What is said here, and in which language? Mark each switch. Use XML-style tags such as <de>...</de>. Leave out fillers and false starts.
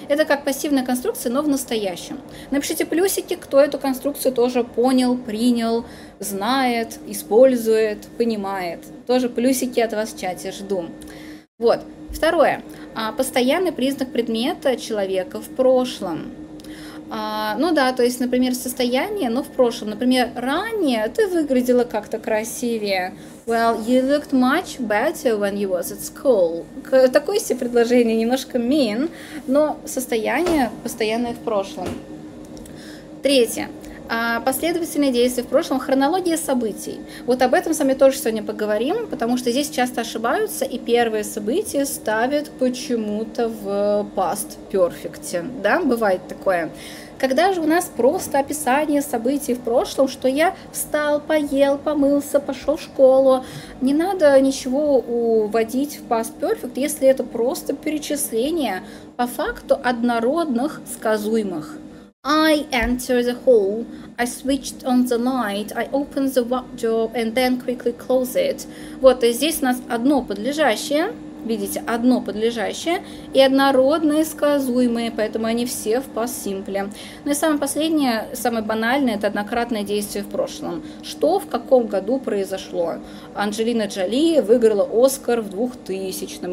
<ru>Это как пассивная конструкция, но в настоящем. Напишите плюсики, кто эту конструкцию тоже понял, принял, знает, использует, понимает. Тоже плюсики от вас в чате жду. Вот. Второе. Постоянный признак предмета человека в прошлом. Ну да, то есть, например, состояние, но в прошлом. Например, ранее ты выглядела как-то красивее.</ru> <en>Well, you looked much better when you was at school.</en> <ru>Такое себе предложение, немножко mean, но состояние постоянное в прошлом. Третье. Последовательные действия в прошлом, хронология событий. Вот об этом с вами тоже сегодня поговорим, потому что здесь часто ошибаются, и первые события ставят почему-то в past perfect. Да, бывает такое. Когда же у нас просто описание событий в прошлом, что я встал, поел, помылся, пошел в школу, не надо ничего уводить в past perfect, если это просто перечисление по факту однородных сказуемых.</ru> <en>I entered the hall, I switched on the light, I opened the wardrobe and then quickly closed it.</en> <ru>Вот, и здесь у нас одно подлежащее, видите, одно подлежащее и однородные сказуемые, поэтому они все в past simple. Ну и самое последнее, самое банальное, это однократное действие в прошлом. Что в каком году произошло? Анджелина Джоли выиграла Оскар в 2000-м.</ru>